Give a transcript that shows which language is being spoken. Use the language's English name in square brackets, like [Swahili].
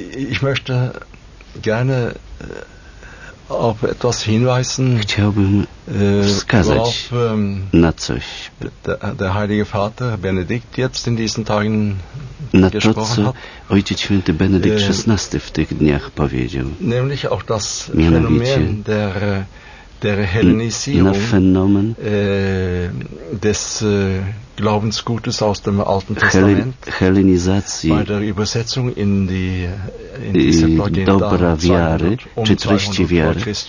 [German] Ich möchte gerne auf etwas hinweisen. [Polish] Chciałbym wskazać na coś. [German] Der Heilige Vater Benedikt jetzt in diesen Tagen [Polish] na to, co Ojciec Święty Benedykt XVI w tych dniach powiedział. [German] Nämlich auch das Phänomen der Hellenisierung, [Polish] na fenomen [German] des Glaubensgutes aus dem Alten Testament, [Polish] Hellenizacji [German] bei der Übersetzung [Polish] in dobra wiary, czy treści wiary.